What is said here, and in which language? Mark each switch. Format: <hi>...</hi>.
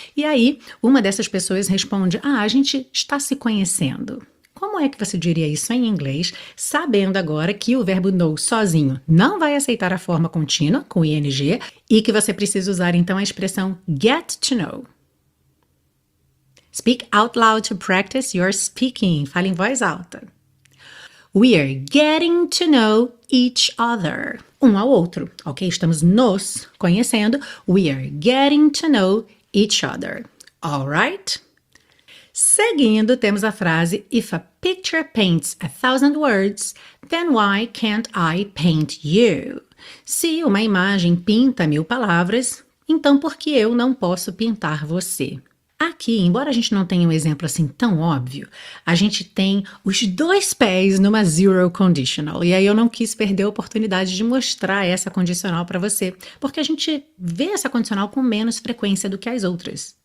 <pt>E aí uma dessas pessoas responde: ah, a gente está se conhecendo. Como é que você diria isso em inglês, sabendo agora que o verbo know sozinho não vai aceitar a forma contínua com ing e que você precisa usar então a expressão get to know?</pt> <en>Speak out loud to practice your speaking.</en> <pt>Fale em voz alta.</pt> <en>We are getting to know each other.</en> <pt>Um ao outro, ok? Estamos nos conhecendo.</pt> <en>We are getting to know each other. All right?</en> <pt>Seguindo, temos a frase:</pt> <en>If a picture paints a thousand words, then why can't I paint you?</en> <pt>Se uma imagem pinta 1.000 palavras, então por que eu não posso pintar você? Aqui, embora a gente não tenha um exemplo assim tão óbvio, a gente tem os dois pés numa zero conditional. E aí eu não quis perder a oportunidade de mostrar essa condicional para você, porque a gente vê essa condicional com menos frequência do que as outras.</pt>